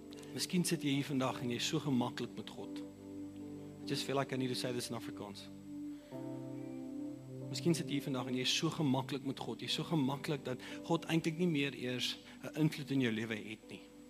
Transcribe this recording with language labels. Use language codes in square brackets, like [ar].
[af] Miskien sit jy hier vandag en jy is so gemaklik met God. [en] I just feel like I need to say this in Afrikaans. [af] Miskien sit jy hier vandag en jy is so gemaklik met God. Jy is so gemaklik dat God eintlik nie meer eers 'n invloed in jou lewe het nie.